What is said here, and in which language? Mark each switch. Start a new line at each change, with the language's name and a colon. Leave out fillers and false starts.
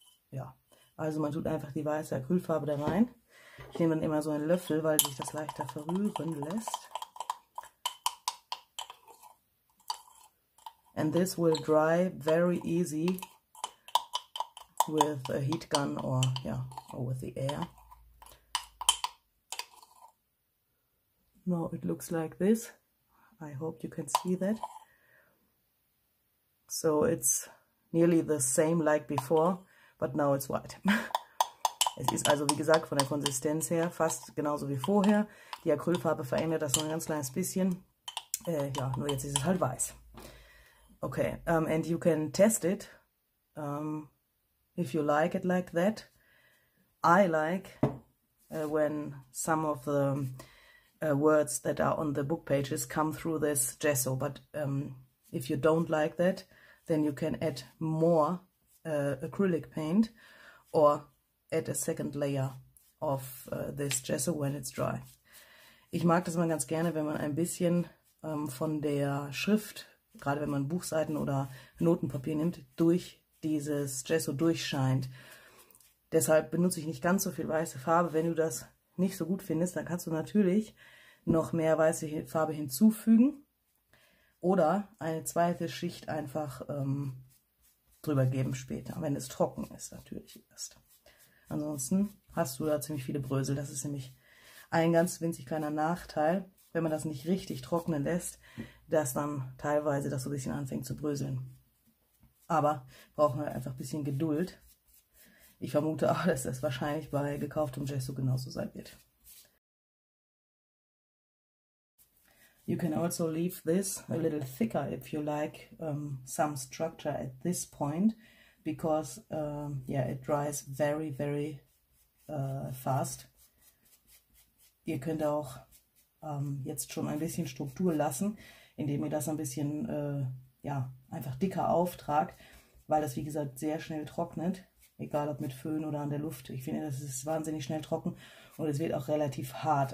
German: Ja, also man tut einfach die weiße Acrylfarbe da rein. Ich nehme dann immer so einen Löffel, weil sich das leichter verrühren lässt.
English: And this will dry very easy with a heat gun or, yeah, or with the air. Now it looks like this. I hope you can see that. So it's nearly the same like before. But now it's white.
German: Es ist also, wie gesagt, von der Konsistenz her fast genauso wie vorher. Die Acrylfarbe verändert das nur ein ganz kleines bisschen. Ja, nur jetzt ist es halt weiß.
English: Okay, and you can test it if you like it like that. I like when some of the words that are on the book pages come through this gesso, but if you don't like that, then you can add more acrylic paint or add a second layer of this gesso when it's dry.
German: Ich mag das mal ganz gerne, wenn man ein bisschen von der Schrift, gerade wenn man Buchseiten oder Notenpapier nimmt, durch dieses Gesso durchscheint. Deshalb benutze ich nicht ganz so viel weiße Farbe. Wenn du das nicht so gut findest, dann kannst du natürlich noch mehr weiße Farbe hinzufügen oder eine zweite Schicht einfach drüber geben später, wenn es trocken ist natürlich erst. Ansonsten hast du da ziemlich viele Brösel. Das ist nämlich ein ganz winzig kleiner Nachteil, wenn man das nicht richtig trocknen lässt, dass dann teilweise das so ein bisschen anfängt zu bröseln. Aber brauchen wir einfach ein bisschen Geduld. Ich vermute auch, dass das wahrscheinlich bei gekauftem Gesso genauso sein wird.
English: You can also leave this a little thicker if you like some structure at this point, because yeah, it dries very, very fast.
German: Ihr könnt auch jetzt schon ein bisschen Struktur lassen, indem ihr das ein bisschen ja, einfach dicker auftragt, weil das, wie gesagt, sehr schnell trocknet, egal ob mit Föhn oder an der Luft. Ich finde, das ist wahnsinnig schnell trocken und es wird auch relativ hart.